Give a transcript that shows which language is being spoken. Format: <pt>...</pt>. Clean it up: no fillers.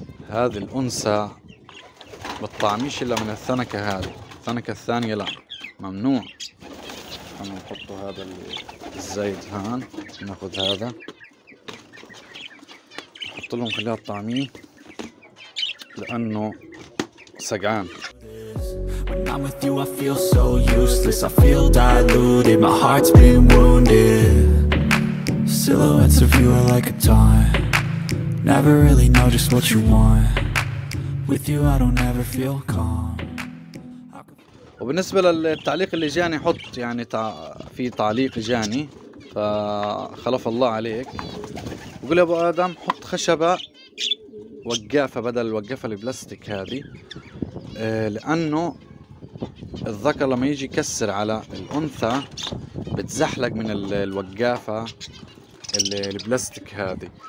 <ar>هذه الانثى بتطعميش الا من الثنكة. هذه الثنكة الثانية لا، ممنوع. حنحط هذا الزيت هان، ناخذ هذا نحط لهم، خليها تطعميه لانه سقعان.</ar> <en>When I'm with you I feel so useless, I feel diluted, my heart's been wounded. Silhouettes of you are like a taunt, never really know just what you want. With you I don't ever feel calm.</en> <ar>وبالنسبة للتعليق اللي جاني، حط يعني في تعليق جاني، فخلف الله عليك. بقول يا ابو ادم حط خشبة وقافة بدل الوقافة البلاستيك هذه، لانه الذكر لما يجي يكسر على الانثى بتزحلق من الوقافة البلاستيك هذه.</ar>